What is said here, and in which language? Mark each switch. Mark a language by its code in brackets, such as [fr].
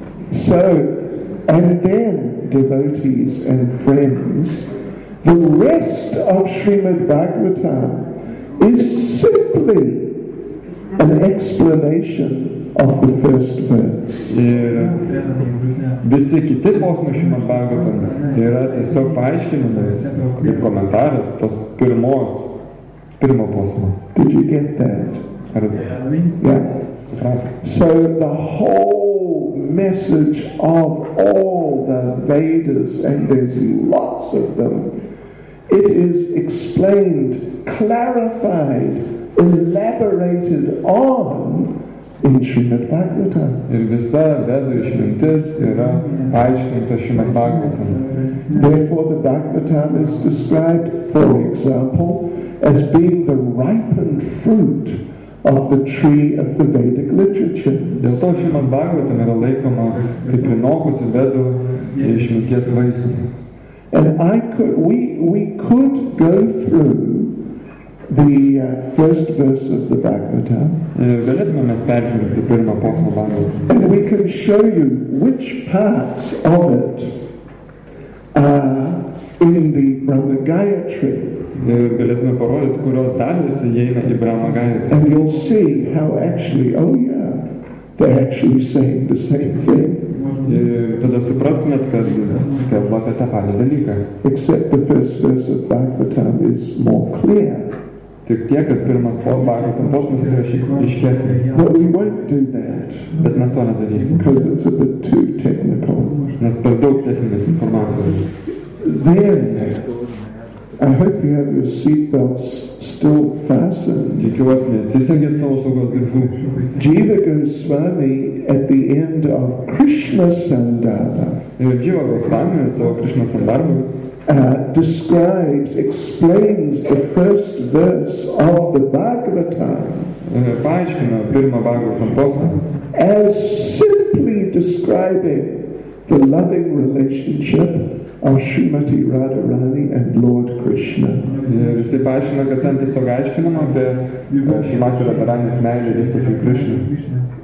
[en] So, and then, devotees and friends, the rest of Srimad Bhagavatam is simply an explanation of the first verse. [lt] Ir visi kiti posmai Srimad Bhagavatam yra tiesiog paaiškinimas ir komentaras tos pirmo posmo. [en] Did you get that? Yeah. So the whole message of all the Vedas, and there's lots of them, it is explained, clarified, elaborated on in Srimad Bhagavatam. [lt] Ir visa Vedų išmintis yra paaiškinta Srimad Bhagavatam. [en] Therefore the Bhagavatam is described, for example, as being the ripened fruit of the tree of the Vedic literature. [lt] Dėl to Srimad Bhagavatam yra laikoma kaip prinokusi Vedų išminties vaisių. [en] And we could go through the first verse of the Bhagavatam. And we can show you which parts of it are in the Brahma Gayatri. [lt] Galėtume parodyti, kurios dalys įeina į Brahma Gayatri. [en] And you'll see how actually, oh yeah, they're actually saying the same thing. [lt] Tada suprastumėt, kad va, tą patį dalyką. [en] Except the first verse of Bhagavatam is more clear. [lt] Tik tiek, kad pirmas Bhagavatam posmas yra šiek tiek aiškesnis. [en] But we won't do that. [lt] Bet mes to nedarysim. [en] Because it's a bit too technical. [lt] Nes per daug techninės informacijos. [en] Then, I hope you have your seatbelts still fastened. [lt] Tikiuosi, neatsisegėt savo saugos diržų. [en] Jiva Goswami at the end of Krishna Sandarbha. [lt] Jiva Goswami savo Krishna Sandarbha [en] describes, explains the first verse of the Bhagavatam. [lt] Paaiškina pirmą Bhagavatam posmą. [en] As simply describing the loving relationship of Srimati Radharani and Lord Krishna. [lt] Ir jisai paaiškina, kad ten tiesiog aiškinama apie Srimati Radharani's meilę viešpačiui Krishna.